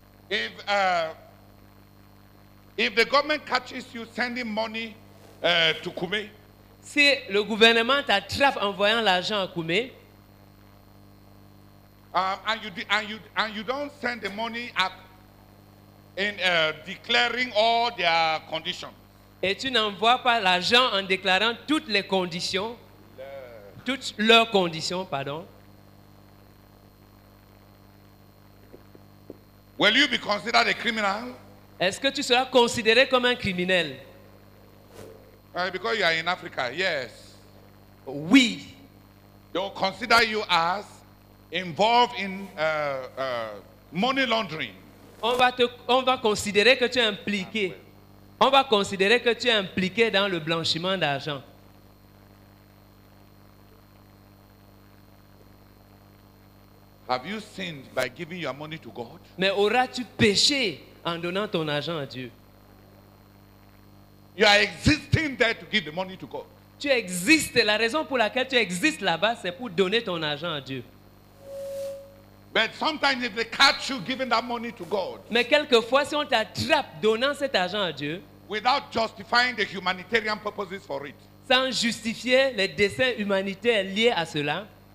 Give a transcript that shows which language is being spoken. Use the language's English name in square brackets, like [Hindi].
[English] if the government catches you sending money to Koumé, [French] si le gouvernement t'attrape en envoyant l'argent à Koumé, [English] and you don't send the money at in declaring all their conditions, [French] et tu n'envoies pas l'argent en déclarant toutes les conditions. Toutes leurs conditions, pardon. [English] Will you be considered a criminal? [French] Est-ce que tu seras considéré comme un criminel? [English] Because you are in Africa, yes. [French] Oui. [English] They'll consider you as involved in money laundering. [French] On va considérer que tu es impliqué. On va considérer que tu es impliqué dans le blanchiment d'argent. [English] Have you sinned by giving your money to God? [French] Mais auras-tu péché en donnant ton argent à Dieu? [English] You are existing there to give the money to God. [French] Tu existes. La raison pour laquelle tu existes là-bas, c'est pour donner ton argent à Dieu. [English] But sometimes if they catch you giving that money to God, [French] mais quelquefois, si on t'attrape donnant cet argent à Dieu, [English] without justifying the humanitarian purposes for it, [French] sans justifier les desseins humanitaires liés à cela,